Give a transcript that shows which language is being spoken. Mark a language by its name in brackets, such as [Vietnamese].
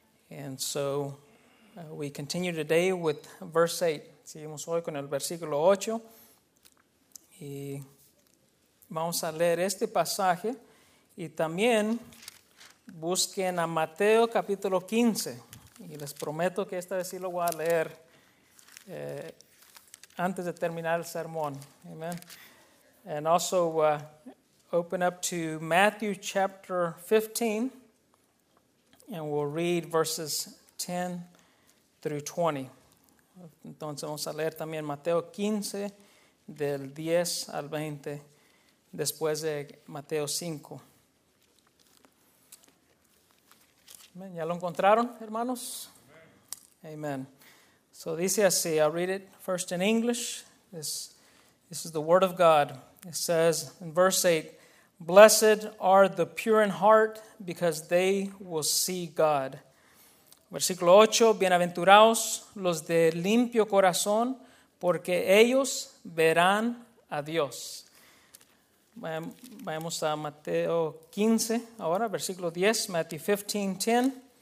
[English] And so we continue today with verse 8. [Spanish] Seguimos hoy con el versículo 8. Y vamos a leer este pasaje. Y también busquen a Mateo capítulo 15. Y les prometo que esta vez sí lo voy a leer antes de terminar el sermón. Amen. [English] And also open up to Matthew chapter 15. And we'll read verses 10 through 20. [Spanish] Entonces vamos a leer también Mateo 15 del 10 al 20 después de Mateo 5. Amen. ¿Ya lo encontraron, hermanos? [English] Amen. Amen. So [Spanish] dice así, [English] I'll read it first in English. This is the word of God. It says in verse 8, blessed are the pure in heart because they will see God. [Spanish] Versículo 8, bienaventurados los de limpio corazón porque ellos verán a Dios. Vayamos a Mateo 15 ahora, versículo 10, [English] Matthew 15, 10.